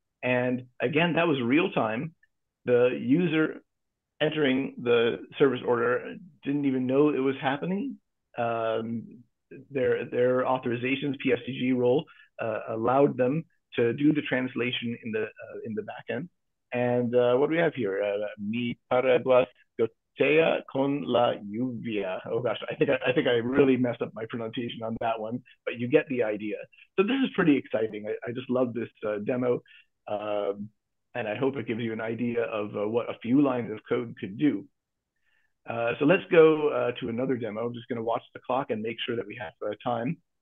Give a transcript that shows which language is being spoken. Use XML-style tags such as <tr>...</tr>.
<en>And again, that was real time. The user entering the service order didn't even know it was happening. Their authorizations, PSDG role, allowed them to do the translation in the back end. And what do we have here?</en> <es>Mi paraguas gotea con la lluvia.</es> <en>Oh gosh, I think I really messed up my pronunciation on that one, but you get the idea. So this is pretty exciting. I just love this demo. And I hope it gives you an idea of what a few lines of code could do. So let's go to another demo. I'm just gonna watch the clock and make sure that we have time.</en>